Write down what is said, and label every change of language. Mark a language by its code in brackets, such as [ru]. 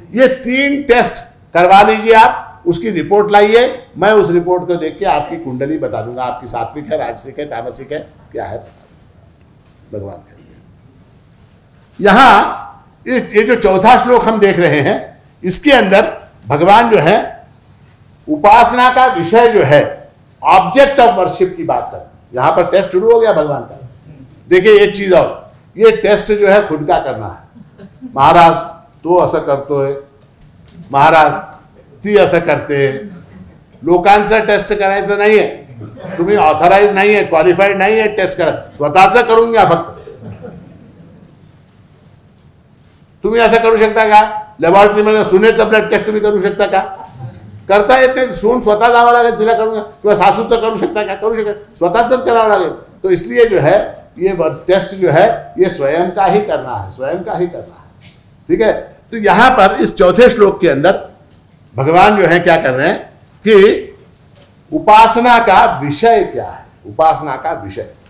[hi] ये तीन टेस्ट करवा लीजिए आप, उसकी रिपोर्ट लाइए, मैं उस रिपोर्ट को देख के आपकी कुंडली बता दूंगा, आपकी सात्विक है, राजसिक है, तामसिक है, क्या है, भगवान के लिए। यहां ये जो चौथा श्लोक हम देख रहे हैं इसके अंदर भगवान जो है उपासना का विषय जो है [en] object of worship [hi] की बात कर, यहां पर टेस्ट शुरू हो गया भगवान का। देखिए एक चीज और, ये टेस्ट जो है खुद का करना है, महाराज तो ऐसा करते है, महाराज ती ऐसा करते हैं, [mr] लोकांचा टेस्ट करायचं नाहीये, तुम्ही ऑथराइज नाही आहे, क्वालिफाइड नाही आहे टेस्ट करा, स्वतःचं करून घ्या फक्त। तुम्ही असं करू शकता का, लॅबोरेटरी मध्ये सुनेचा ब्लड टेस्ट तुम्ही करू शकता का, करता येत नाही, सून स्वतः जावं लागेल तिला करून, किंवा सासूचं करू शकता का, करू शकता, स्वतःचंच करावं लागेल। [hi] तो इसलिए जो है ये टेस्ट जो है ये स्वयं का ही करना है, स्वयं का ही करना है, ठीक है। तो यहां पर इस चौथे श्लोक के अंदर भगवान जो है क्या कर रहे हैं कि उपासना का विषय क्या है, उपासना का विषय।